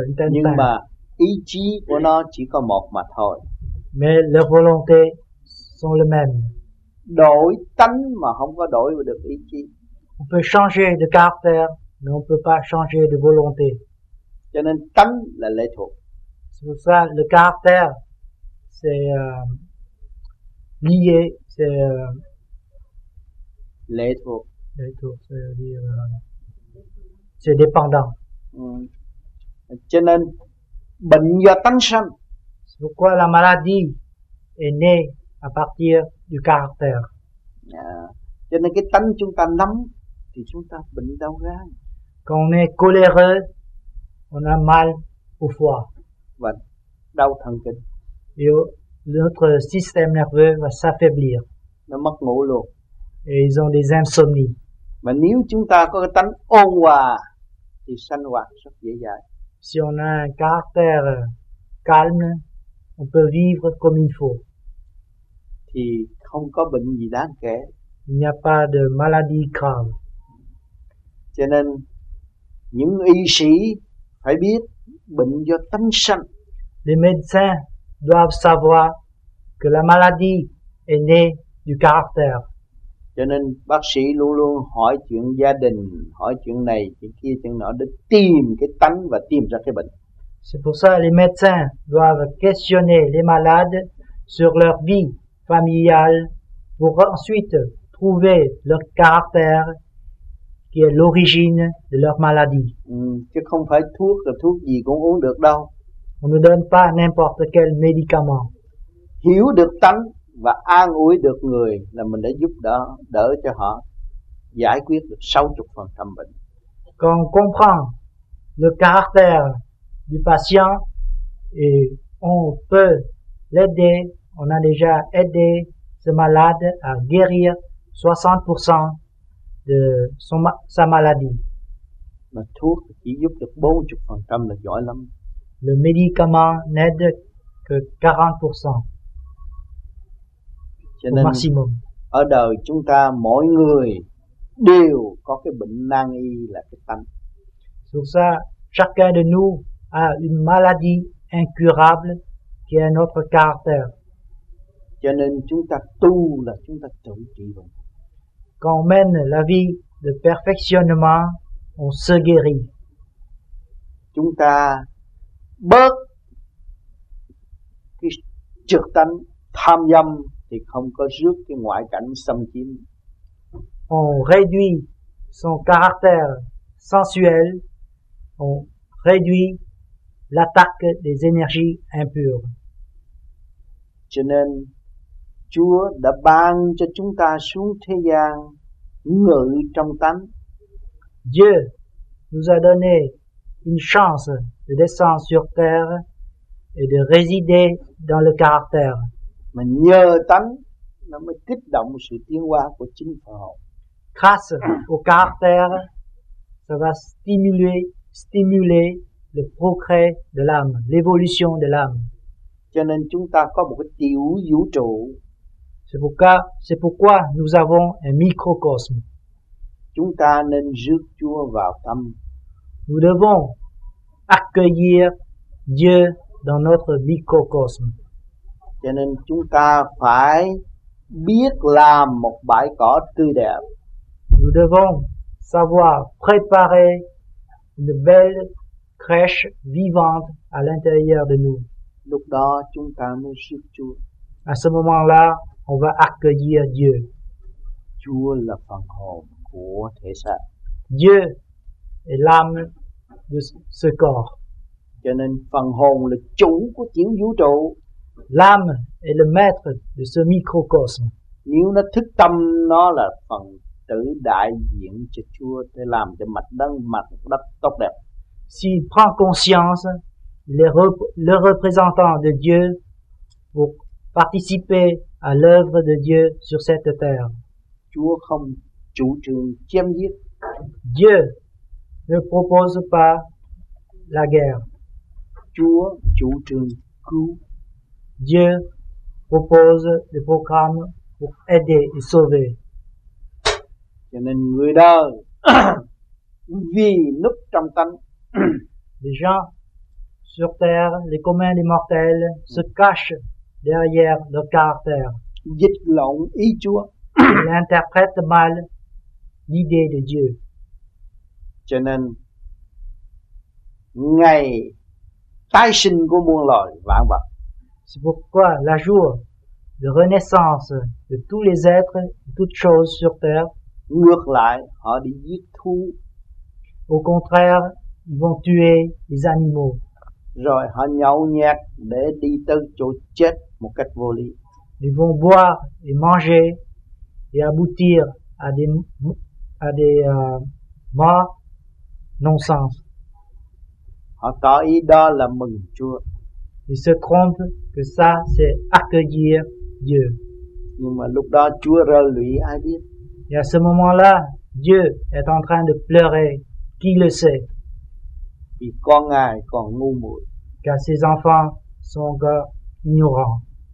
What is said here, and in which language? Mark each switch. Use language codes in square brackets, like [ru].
[vi] Nhưng mà ý chí của nó chỉ có một mà thôi. [fr] Mais leur volonté sont le même. [vi] Đổi tánh mà không có đổi được ý chí. [fr] On peut changer de caractère, mais on peut pas changer de volonté. [vi] Cho nên tánh là lệ thuộc. [fr] C'est pour ça le caractère c'est lié, c'est [vi] lệ thuộc. Lệ thuộc, [fr] c'est-à-dire c'est dépendant. [vi] Cho nên bệnh do tánh sanh. [fr] C'est pourquoi la maladie est née à partir du caractère. [vi] Cho nên cái tánh chúng ta nắm thì chúng ta bệnh đau gan. [fr] Quand on est coléreux, on a mal au foie. [vi] Và đau thần kinh. [fr] Et notre système nerveux va s'affaiblir. [vi] Nó mất ngủ luôn. [fr] Et ils ont des insomnies. [vi] Mà nếu chúng ta có cái tánh ôn hòa thì sanh hoạt rất dễ dàng. [fr] Si on a un caractère calme, on peut vivre comme il faut. [vi] Thì không có bệnh gì đáng kể. [fr] Il n'y a pas de maladie grave. [vi] Cho nên những y sĩ phải biết bệnh do tánh sanh. [fr] Les médecins doivent savoir que la maladie [en] And then you go up there. [vi] Cho nên bác sĩ luôn luôn hỏi chuyện gia đình, hỏi chuyện này, chuyện kia, chuyện nọ để tìm cái tánh và tìm ra cái bệnh. [fr] C'est pour ça les médecins doivent questionner les malades sur leur vie familiale pour ensuite trouver leur caractère qui est l'origine de leur maladie. [vi] Chứ không phải thuốc là thuốc gì cũng uống được đâu. [fr] On ne donne pas n'importe quel médicament. [vi] Hiểu được tánh và an ủi được người là mình đã giúp đỡ đỡ cho họ giải quyết được 60% bệnh. [fr] Quand on comprend le caractère du patient et on peut l'aider, on a déjà aidé ce malade à guérir 60% de son, sa maladie. [vi] Mà thuốc chỉ giúp được 40% là giỏi lắm. [fr] Le médicament n'aide que 40%. [vi] Cho nên [fr] maximum. [vi] Ở đời chúng ta mỗi người đều có cái bệnh nan y là cái tâm. [fr] Sur ça, chacun de nous a une maladie incurable qui est notre caractère. [vi] Cho nên chúng ta tu là chúng ta tự trị bệnh. [fr] Quand on mène la vie de perfectionnement, on se guérit. [vi] Chúng ta bớt cái trược tánh tham dâm thì không có rước cái ngoại cảnh xâm chiếm. [fr] On réduit son caractère sensuel, on réduit l'attaque des énergies impures. [vi] Cho nên Chúa đã ban cho chúng ta xuống thế gian ngự trong tánh. [fr] Dieu nous a donné une chance de descendre sur terre et de résider dans le caractère. [vi] Mà nhờ tánh nó mới kích động sự tiến hóa của chính phần hồn. [fr] Grâce au caractère, ça va stimuler le progrès de l'âme, l'évolution de l'âme. [vi] Cho nên chúng ta có một cái tiểu vũ trụ. [fr] C'est pourquoi nous avons un microcosme. [vi] Chúng ta nên rước Chúa vào tâm. [fr] Nous devons accueillir Dieu dans notre microcosme. [vi] Cho nên chúng ta phải biết làm một bãi cỏ tươi đẹp. [fr] Nous devons savoir préparer une belle crèche vivante à l'intérieur de nous. [vi] Lúc đó chúng ta mới rước Chúa. [fr] À ce moment-là, on va accueillir Dieu. [vi] Chúa là phần hồn của thể xác. [fr] Dieu est l'âme de ce corps. [vi] Cho nên phần hồn là chủ của tiểu vũ trụ. [fr] L'âme est le maître de ce microcosme. [vi] Nếu nó thức tâm, nó là phần tử đại diện cho Chúa để làm cho mặt đất tốt đẹp. [fr] S'il prend conscience, le représentant de Dieu pour participer à l'œuvre de Dieu sur cette terre. [vi] Chúa không chủ trương chém giết. [fr] Dieu ne propose pas la guerre. [vi] Chúa chủ trương cứu. [fr] Dieu propose des programmes pour aider et sauver. [vi] Cho nên người đời vì núp trong tâm. [fr] Les gens sur terre, les communs, les mortels se cachent derrière leur caractère. [vi] Dịch lộn ý Chúa. [fr] Ils interprètent mal l'idée de Dieu. [vi] Cho nên ngày tái sinh của muôn loài vạn vật. [fr] C'est pourquoi la jour de renaissance de tous les êtres et toutes choses sur terre. [vi] Ngược lại, họ đi giết thú. [fr] Au contraire, ils vont tuer les animaux. [vi] Rồi họ nhậu nhẹt để đi tới chỗ chết một cách vô lý. [fr] Ils vont boire et manger et aboutir à des morts non-sens. [vi] Họ tỏ ý đó là mừng Chúa. [fr] Ils se trompent que ça c'est accueillir Dieu. [vi] Nhưng mà lúc đó Chúa rơi lụy ai biết. [fr] Et à ce moment-là, Dieu est en train de pleurer. Qui le sait? [vi] Vì con ngài còn ngu muội. [fr] Car ses enfants sont encore ignorants.